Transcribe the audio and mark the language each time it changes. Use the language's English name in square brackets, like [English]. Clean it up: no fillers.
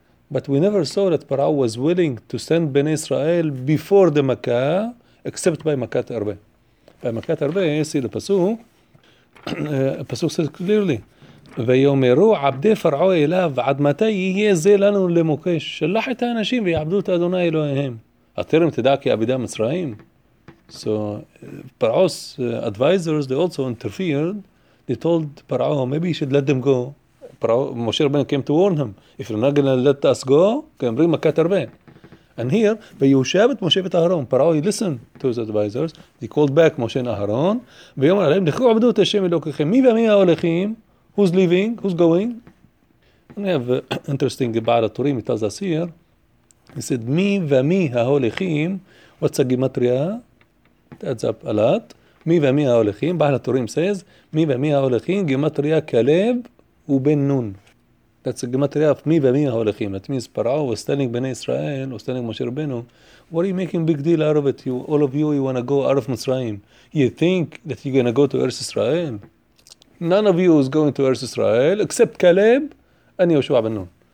[English] But we never saw that Parao was willing to send Ben Israel before the Makkah, except by Makkat Arba. By Makkat Arba, you see the Pasuk. Pasuk says clearly, [Hebrew] ויאמרו עבדי פרעו אליו, עד מתי יהיה זה לנו למוקש? שלח את האנשים ויעבדו את אדוני אלוהיהם. הטרם תדע כי עבדי המצרים? [English] So Parao's advisors, they also interfered. They told Parao, maybe you should let them go. Parao, Moshe Rabbeinu came to warn him, if you're not going to let us go, can bring Makat Arba. And here, [Hebrew] ויושבת משה ואת אהרון. [English] Parao, he listened to his advisors. He called back Moshe and Aharon. [Hebrew] ויאמר עליהם, לכו עבדו את השם אלוקיכם. מי ומי ההולכים? [English] Who's leaving? Who's going? And we have an interesting Ba'al HaTorim, it tells us here. He said, [Hebrew] מי ומי ההולכים? [English] What's a gematria? That's up a lot. [Hebrew] מי ומי ההולכים? בעל התורים [English] says, [Hebrew] מי ומי ההולכים? גימטריה כלב ובן נון. [English] That's a gematria of [Hebrew] מי ומי ההולכים. [English] That means פרעה was telling בני ישראל, was telling משה רבנו, what are you making big deal out of it? You, all of you, you want to go out of מצרים. You think that you're going to go to Earth Israel? None of you is going to Earth Israel except כלב and יהושע בן נון.